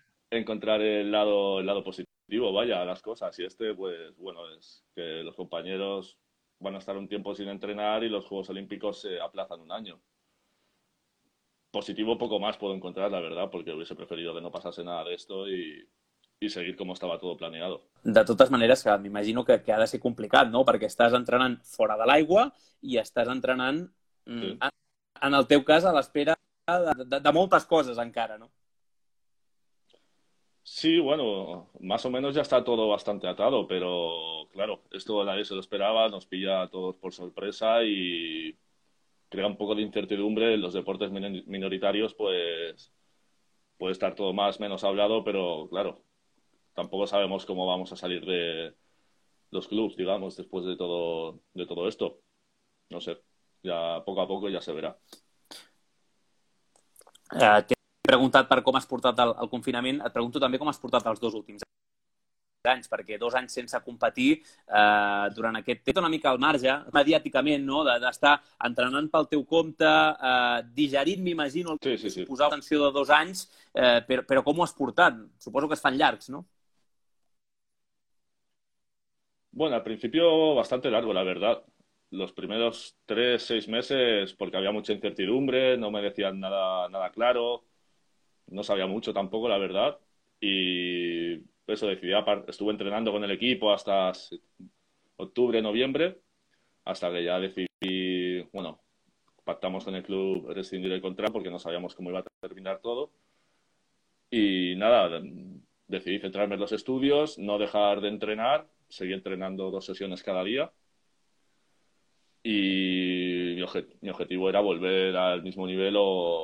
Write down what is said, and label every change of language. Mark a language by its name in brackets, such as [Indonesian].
[Spanish] Encontrar el lado positivo, vaya, las cosas. Y este, pues, bueno, es que los compañeros van a estar un tiempo sin entrenar y los Juegos Olímpicos se aplazan un año. Positivo poco más puedo encontrar, la verdad, porque hubiese preferido que no pasase nada de esto y seguir como estaba todo planeado. [Catalan] De totes maneres, que m'imagino que ha de ser complicat, no? Perquè estàs entrenant fora de l'aigua i estàs entrenant, en el teu cas, a l'espera de moltes coses encara, no? [Spanish] Sí, bueno, más o menos ya está todo bastante atado, pero claro, esto nadie se lo esperaba, nos pilla a todos por sorpresa y crea un poco de incertidumbre en los deportes minoritarios, pues puede estar todo más menos hablado, pero claro, tampoco sabemos cómo vamos a salir de los clubs, digamos, después de todo esto. No sé, ya poco a poco ya se verá. [Catalan] He preguntat per com has portat el confinament, et pregunto també com has portat els 2 últims anys, perquè 2 anys sense competir, durant aquest temps, una mica al marge, mediàticament, no? D'estar entrenant pel teu compte, digerint, m'imagino, sí, sí, sí. Posar atenció de 2 anys, però com ho has portat? Suposo que es fan llargs, no? [Spanish] Bueno, al principio bastante largo, la verdad. Los primeros 3-6 meses, porque había mucha incertidumbre, no me decían nada claro. No sabía mucho tampoco, la verdad, y eso decidí, estuve entrenando con el equipo hasta octubre, noviembre, hasta que ya decidí, bueno, pactamos con el club rescindir el contrato porque no sabíamos cómo iba a terminar todo, y nada, decidí centrarme en los estudios, no dejar de entrenar, seguí entrenando 2 sesiones cada día, y mi objetivo era volver al mismo nivel o...